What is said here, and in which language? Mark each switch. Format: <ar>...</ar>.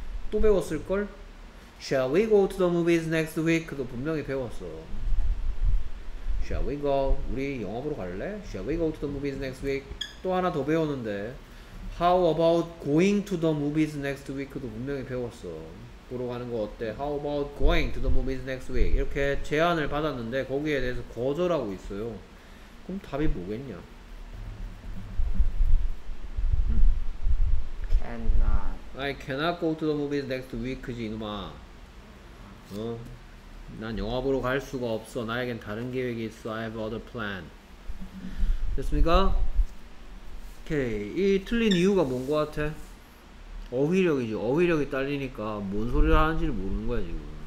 <ko>또 배웠을 걸?</ko> <en>Shall we go to the movies next week?도</en> <ko>분명히 배웠어.</ko> <en>Shall we go?</en> <ko>우리 영화 보러 갈래?</ko> <en>Shall we go to the movies next week?</en> <ko>또 하나 더 배웠는데.</ko> <en>How about going to the movies next week?도</en> <ko>분명히 배웠어. 보러 가는 거 어때?</ko> <en>How about going to the movies next week?</en> <ko>이렇게 제안을 받았는데 거기에 대해서 거절하고 있어요. 그럼 답이 뭐겠냐?</ko> <en>Cannot. I cannot go to the movies next week지,</en> <ko>이놈아. 어? 난 영화 보러 갈 수가 없어. 나에겐 다른 계획이 있어.</ko> <en>I have other plan.</en> <ko>됐습니까? 오케이. 이 틀린 이유가 뭔 것 같아? 어휘력이지. 어휘력이 딸리니까 뭔 소리를 하는지를 모르는 거야, 지금.</ko>